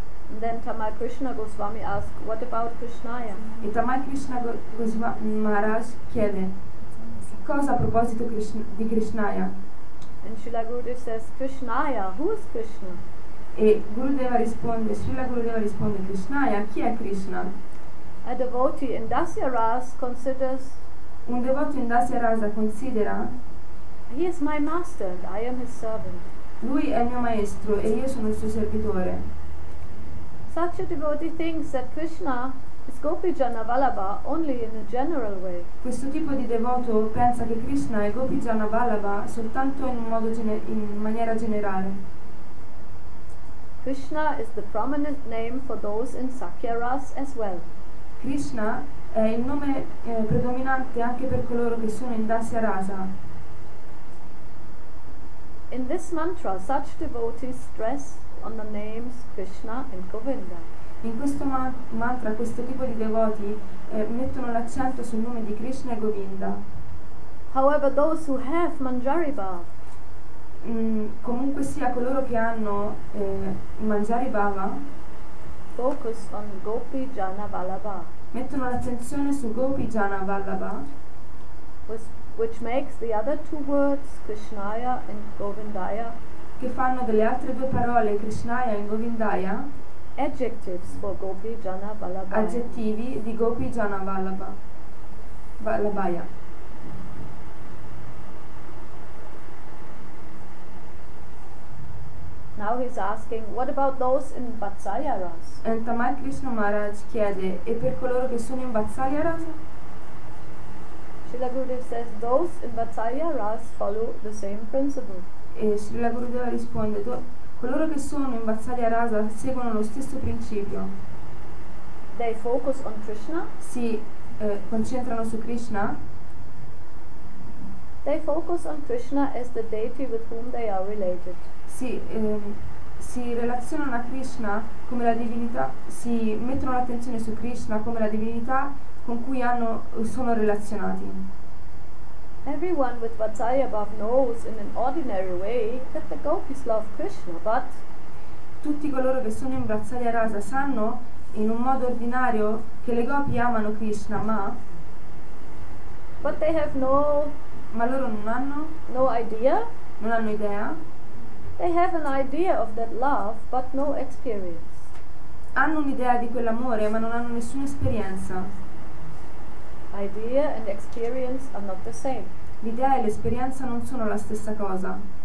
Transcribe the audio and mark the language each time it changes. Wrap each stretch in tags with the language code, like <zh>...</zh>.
<en>And then Tamal Krishna Goswami asks, what about Krishnaya?</en> <it>E Tamal Krishna Goswami Maharaj chiede, cosa a proposito di Krishnaya?</it> <en>And Srila Gurudev says, Krishnaya, who is Krishna?</en> <it>E Gurudeva risponde, Srila Gurudeva risponde, Krishnaya, chi è Krishna?</it> <en>A devotee in Dasya Ras considers.</en> <it>Un devoto in Dasya Rasa considera.</it> <en>He is my master and I am his servant.</en> <it>Lui è mio maestro e io sono il suo servitore.</it> <en>Such a devotee thinks that Krishna is Gopijana Vallabha only in a general way.</en> <it>Questo tipo di devoto pensa che Krishna è Gopijana Vallabha soltanto in maniera generale.</it> <en>Krishna is the prominent name for those in Sakya Ras as well.</en> <it>Krishna è il nome predominante anche per coloro che sono in Dasya Rasa.</it> <en>In this mantra, such devotees stress on the names Krishna and Govinda.</en> <it>In questo mantra, questo tipo di devoti mettono l'accento sul nome di Krishna e Govinda.</it> <en>However, those who have Manjaribha,</en> <it>comunque sia coloro che hanno Manjaribhava,</it> <en>focus on Gopijana Vallabha.</en> <it>Mettono l'attenzione su Gopijana Vallabha,</it> <en>which makes the other two words Krishnaya and Govindaya,</en> <it>che fanno delle altre due parole Krishnaya e Govindaya,</it> <en>adjectives for Gopijana Vallabha.</en> <it>Aggettivi di Gopijana Vallabha. Vallabhaya.</it> <en>Now he's asking, what about those in Vatsalya Ras?</en> <it>And Tamal Krishna Maharaj chiede, e per coloro che sono in Vatsalya Ras?</it> <en>Srila Gurudev says, those in Vatsalya Ras follow the same principle.</en> <it>E Srila Gurudev risponde, coloro che sono in Vatsalya Ras seguono lo stesso principio.</it> <en>They focus on Krishna?</en> <it>Si concentrano su Krishna?</it> <en>They focus on Krishna as the deity with whom they are related.</en> <it>Si relazionano a Krishna come la divinità, si mettono l'attenzione su Krishna come la divinità con cui sono relazionati.</it> <en>Everyone with Vatsalya Bhav knows in an ordinary way that the gopis love Krishna, but</en> <it>tutti coloro che sono in Vatsalya Rasa sanno in un modo ordinario che le gopi amano Krishna, ma</it> <en>but they have no,</en> <it>ma loro non hanno</it> <en>no idea,</en> <it>non hanno idea.</it> <en>They have an idea of that love, but no experience.</en> <it>Hanno un'idea di quell'amore, ma non hanno nessuna esperienza.</it> <en>Idea and experience are not the same.</en> <it>L'idea e l'esperienza non sono la stessa cosa.</it>